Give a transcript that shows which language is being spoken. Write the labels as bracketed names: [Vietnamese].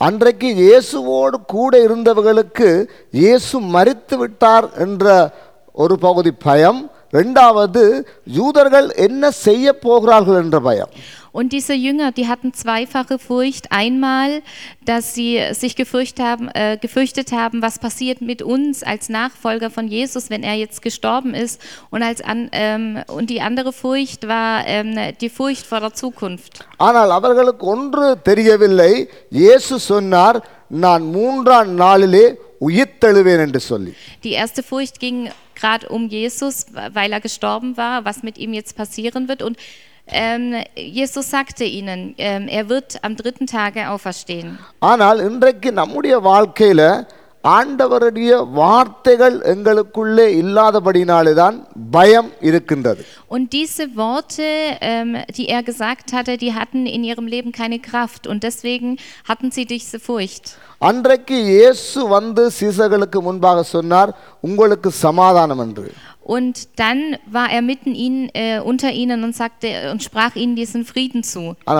[Tamil] அன்றைக்கு இயேசுவோடு கூட இருந்தவர்களுக்கு இயேசு மரித்து விட்டார் என்ற ஒரு பகுதி பயம், இரண்டாவது யூதர்கள் என்ன செய்ய போகிறார்கள் என்ற பயம். [German] Und diese Jünger, die hatten zweifache Furcht. Einmal, dass sie sich gefürchtet haben, was passiert mit uns als Nachfolger von Jesus, wenn er jetzt gestorben ist. Und die andere Furcht war die Furcht vor der Zukunft. [Tamil] ஆனால் அவர்களுக்கு ஒன்று தெரியவில்லை. இயேசு சொன்னார், நான் மூன்றாம் நாளிலே உயிர்த்தெழுவேன் என்று சொல்லி. [German] Die erste Furcht ging gerade um Jesus, weil er gestorben war, was mit ihm jetzt passieren wird. Und Jesus sagte ihnen, er wird am dritten Tage auferstehen. [Tamil] ஆனால் இன்றைக்கு நம்முடைய வாழ்க்கையில ஆண்டவருடைய வார்த்தைகள் எங்களுக்குள்ளே இல்லாதபடினாலேதான் பயம் இருக்கின்றது. [German] Und diese Worte, die gesagt hatte, die hatten in ihrem Leben keine Kraft und deswegen hatten sie diese Furcht. [Tamil] அன்றைக்கு இயேசு வந்து சீசர்களுக்கு முன்பாக சொன்னார், உங்களுக்கு சமாதானம் என்று. [German] Und dann war er mitten ihnen, unter ihnen und sagte und sprach ihnen diesen Frieden zu.